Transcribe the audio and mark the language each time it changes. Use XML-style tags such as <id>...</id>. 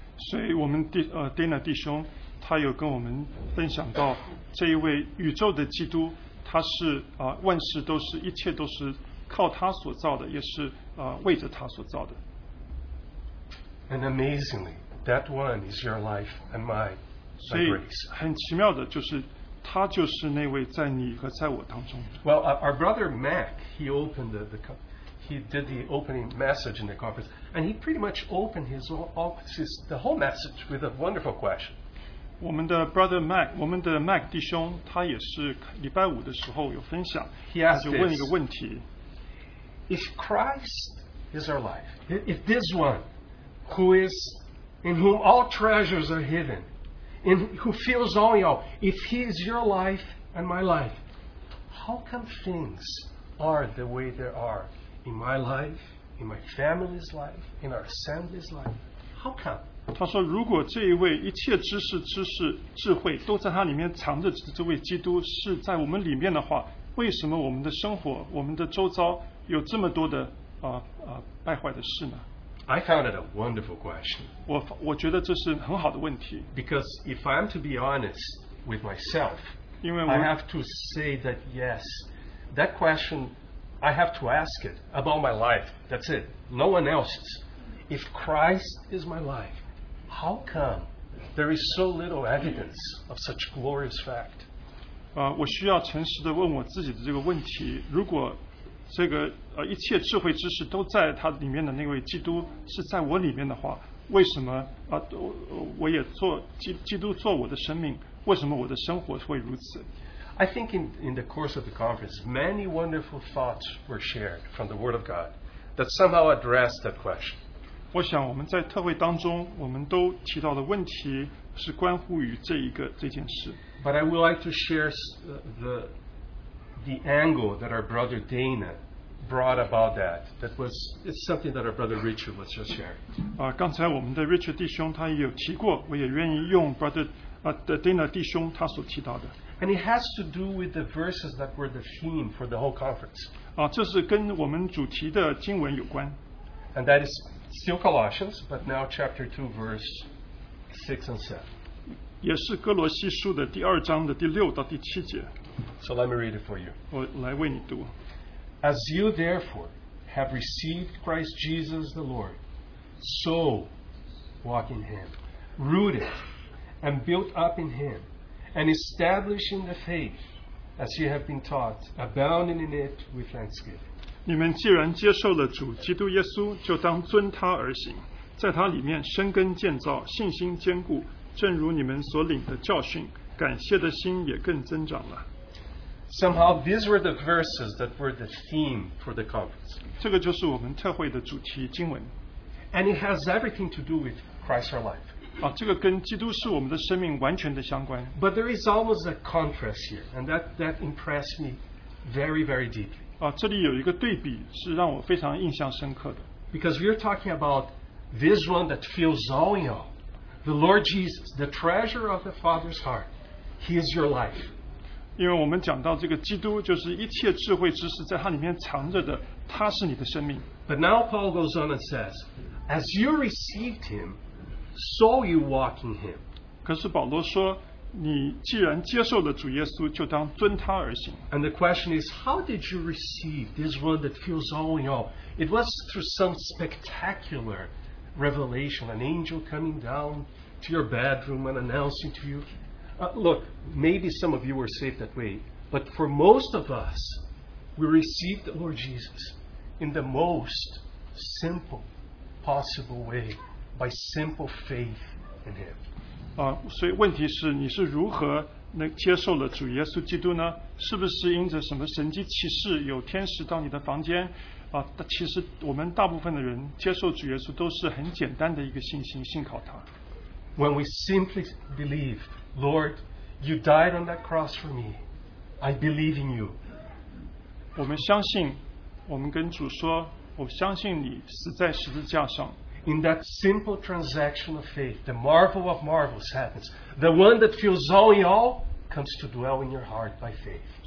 <zh>所以我们弟Dana 弟兄他有跟我们分享到这一位宇宙的基督，他是万事都是一切都是靠他所造的，也是为着他所造的。</zh> <en>And amazingly, that one is your life and my grace.</en> <zh>所以很奇妙的就是他就是那位在你和在我当中。</zh> <en>Well, our brother Mac, he opened he did the opening message in the conference, and he pretty much opened the whole message with a wonderful question.</en> <zh>我们的 brother Mac, 我们的 Mac 弟兄，他也是礼拜五的时候有分享，他就问一个问题。</zh> <en>If Christ is our life, if this one, who is in whom all treasures are hidden, in who fills all in all, if he is your life and my life, how come things are the way they are? In my life, in my family's life, in our assembly's life, how come?</en> <zh>他说，如果这一位一切知识、智慧都在他里面藏着，这位基督是在我们里面的话，为什么我们的生活、我们的周遭有这么多的败坏的事呢？</zh> <en>I found it a wonderful question.</en> <zh>我觉得这是很好的问题。</zh> <en>Because if I'm to be honest with myself, I have to say that yes, that question. I have to ask it about my life. That's it. No one else's. If Christ is my life, how come there is so little evidence of such glorious fact?</en> <zh>我需要诚实地问我自己的这个问题。如果这个一切智慧知识都在他里面的那位基督是在我里面的话，为什么我也做基督做我的生命？为什么我的生活会如此？</zh> <en>I think in the course of the conference, many wonderful thoughts were shared from the Word of God that somehow addressed that question.</en> <zh>我想我们在特会当中，我们都提到的问题是关乎于这件事。</zh> <en>But I would like to share the angle that our brother Dana brought about that. It's something that our brother Richard was just sharing.</en> <zh>刚才我们的 Richard 弟兄他也有提过，我也愿意用 brother Dana 弟兄他所提到的。</zh> <en>And it has to do with the verses that were the theme for the whole conference.</en> <zh>这是跟我们主题的经文有关。</zh> <en>And that is still Colossians, but now chapter 2, verse 6 and 7.</en> <zh>也是哥罗西书的第二章的第六到第七节。</zh> <en>So let me read it for you.</en> <zh>我来为你读。</zh> <en>As you therefore have received Christ Jesus the Lord, so walk in him, rooted and built up in him, and establish in the faith as you have been taught, abounding in it with thanksgiving.</en> <zh>你们既然接受了主基督耶稣，就当遵他而行，在他里面生根建造，信心坚固，正如你们所领的教训，感谢的心也更增长了。</zh> <en>Somehow these were the verses that were the theme for the conference.</en> <zh>这个就是我们特会的主题经文。</zh> <en>And it has everything to do with Christ our life.</en> <zh>这个跟基督是我们的生命完全的相关。</zh> <en>But there is always a contrast here, and that impressed me very, very deeply.</en> <zh>这里有一个对比是让我非常印象深刻的。</zh> <en>Because we're talking about this one that fills all in all, the Lord Jesus, the treasure of the Father's heart. He is your life.</en> <zh>因为我们讲到这个基督就是一切智慧知识在他里面藏着的，他是你的生命。</zh> <en>But now Paul goes on and says, as you received him,So you walk in him.</en> <zh>可是保罗说，你既然接受了主耶稣，就当遵他而行。</zh> <en>And the question is, how did you receive this one that fills all in all? It was through some spectacular revelation, an angel coming down to your bedroom and announcing to you. Look, maybe some of you were saved that way, but for most of us, we receive the Lord Jesus in the most simple possible way, by simple faith in Him.</en> <zh>所以问题是你是如何接受了主耶稣基督呢? 是不是因着什么神迹启示有天使到你的房间其实我们大部分的人接受主耶稣都是很简单的一个信心信靠他</zh> <en>When we simply believe, Lord, you died on that cross for me, I believe in you.</en> <zh>我们相信我们跟主说我相信你死在十字架上</zh> <en>In that simple transaction of faith, the marvel of marvels happens. The one that fills all in all comes to dwell in your heart by faith.</en>